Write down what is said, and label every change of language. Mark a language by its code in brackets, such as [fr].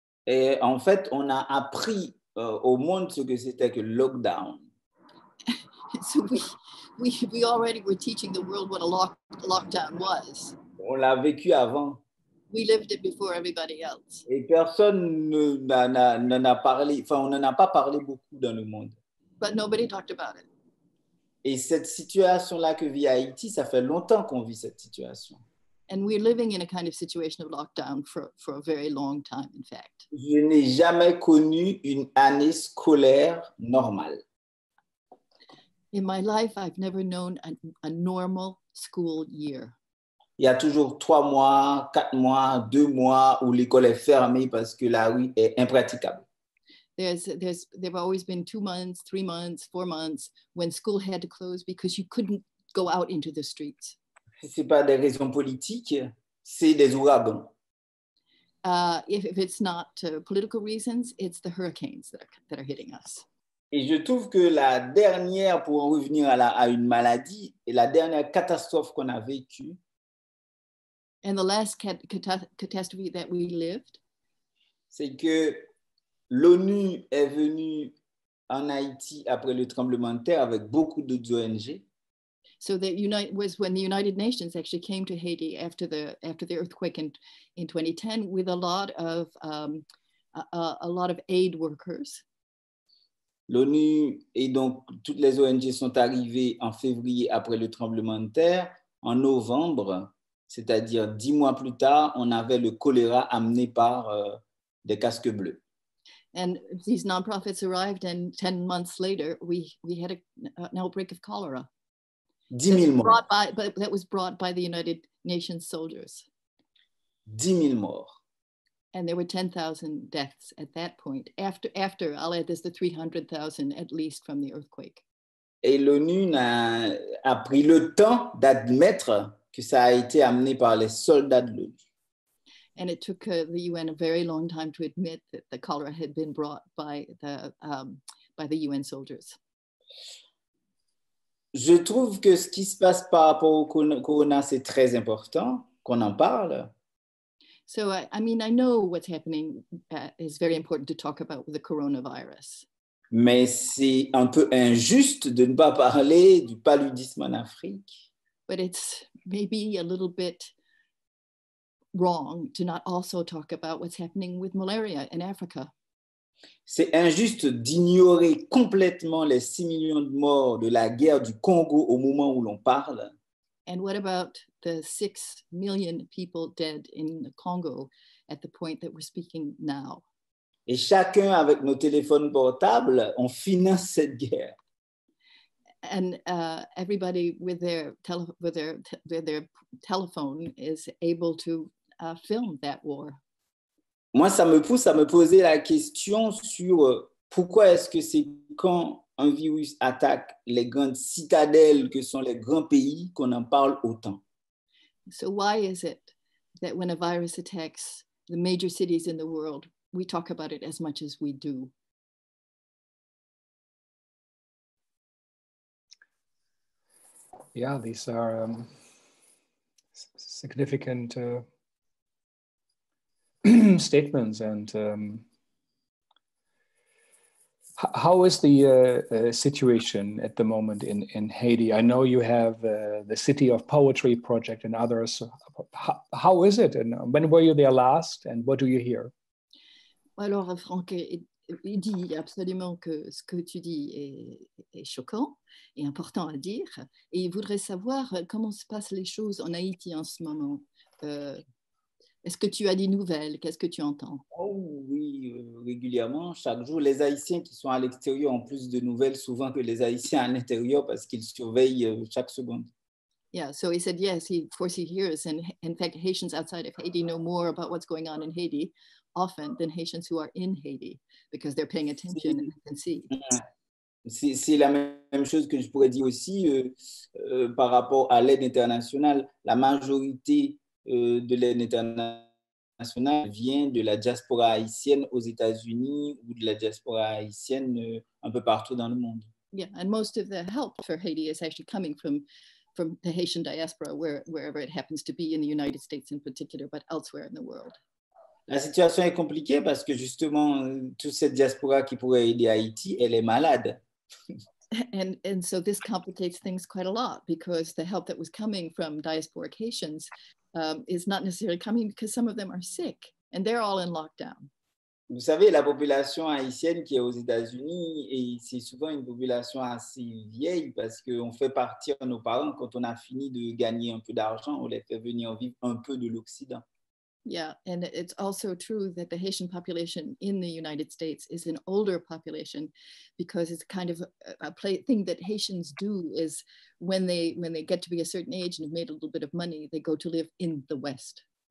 [fr] Et en fait, on a appris au monde ce que c'était que le lockdown. [en] So we already were teaching the world what a lockdown was. [fr] On l'a vécu avant. [en] We lived it before everybody else. [fr] Et personne n'a parlé, enfin, on n'en a pas parlé beaucoup dans le monde. [en] But nobody talked about it. [fr] Et cette situation-là que vit Haïti, ça fait longtemps qu'on vit cette situation. [en] And we're living in a kind of situation of lockdown for a very long time, in fact. [fr] Je n'ai jamais connu une année scolaire normale. [en] In my life, I've never known a normal school year. [fr] Il y a toujours 3 mois, 4 mois, 2 mois où l'école est fermée parce que la rue est impraticable. [en] There've always been 2 months, 3 months, 4 months when school had to close because you couldn't go out into the streets. [fr] C'est pas des raisons politiques, c'est des ouragans. [en] If it's not political reasons, it's the hurricanes that are hitting us. [fr] Et je trouve que la dernière, pour en revenir à une maladie, et la dernière catastrophe qu'on a vécue. [en] And the last catastrophe that we lived. [fr] C'est que l'ONU est venue en Haïti après le tremblement de terre avec beaucoup d'autres ONG. [en] So that was when the United Nations actually came to Haiti after the earthquake in 2010 with a lot of aid workers. [fr] L'ONU et donc toutes les ONG sont arrivées en février après le tremblement de terre. En novembre, c'est-à-dire 10 mois plus tard, on avait le choléra amené par des casques bleus. [en] And these non-profits arrived and 10 months later, we had an outbreak of cholera. [fr] 10 000 morts. [en] That was brought by the United Nations soldiers. [fr] 10 000 morts. [en] And there were 10,000 deaths at that point. After, I'll add this, the 300,000 at least from the earthquake. [fr] Et l'ONU a pris le temps d'admettre que ça a été amené par les soldats de l'ONU. [en] And it took the UN a very long time to admit that the cholera had been brought by the UN soldiers. [fr] Je trouve que ce qui se passe par rapport au corona, c'est très important qu'on en parle. [en] So I mean, I know what's happening is very important to talk about the coronavirus. [fr] Mais c'est un peu injuste de ne pas parler du paludisme en Afrique. [en] But it's maybe a little bit wrong to not also talk about what's happening with malaria in Africa. [fr] C'est injuste d'ignorer complètement les 6 millions de morts de la guerre du Congo au moment où l'on parle. [en] And what about the 6 million people dead in the Congo at the point that we're speaking now? [fr] Et chacun avec nos téléphones portables, on finance cette guerre. [en] And everybody with their telephone is able to film that war. [fr] Moi, ça me pousse à me poser la question sur pourquoi est-ce que c'est quand un virus attaque les grandes citadelles que sont les grands pays qu'on en parle autant. [en] So why is it that when a virus attacks the major cities in the world, we talk about it as much as we do? Yeah, these are significant statements. And how is the situation at the moment in Haiti? I know you have the City of Poetry Project and others. How is it? And when were you there last? And what do you hear? [fr] Alors, Franck, il dit absolument que ce que tu dis est choquant et important à dire. Et il voudrait savoir comment se passent les choses en Haïti en ce moment. Est-ce que tu as des nouvelles? Qu'est-ce que tu entends? Oh oui, régulièrement, chaque jour. Les Haïtiens qui sont à l'extérieur ont plus de nouvelles souvent que les Haïtiens à l'intérieur parce qu'ils surveillent chaque seconde. [en] Yeah, so he said yes, of course he hears. And in fact, Haitians outside of Haiti know more about what's going on in Haiti often than Haitians who are in Haiti because they're paying attention and can see. [fr] C'est la même chose que je pourrais dire aussi par rapport à l'aide internationale. La majorité de l'aide internationale vient de la diaspora haïtienne aux États-Unis ou de la diaspora haïtienne un peu partout dans le monde. [en] Yeah, and most of the help for Haiti is actually coming from the Haitian diaspora, wherever it happens to be in the United States in particular, but elsewhere in the world. [fr] La situation est compliquée parce que justement, toute cette diaspora qui pourrait aider Haïti, elle est malade. [en] And so this complicates things quite a lot because the help that was coming from diasporic Haitians is not necessarily coming because some of them are sick and they're all in lockdown. [fr] Vous savez, la population haïtienne qui est aux États-Unis, et c'est souvent une population assez vieille parce qu'on fait partir nos parents quand on a fini de gagner un peu d'argent, on les fait venir vivre un peu de l'Occident. [en] Yeah, and it's also true that the Haitian population in the United States is an older population because it's kind of a thing that Haitians do is when they get to be a certain age and have made a little bit of money, they go to live in the West.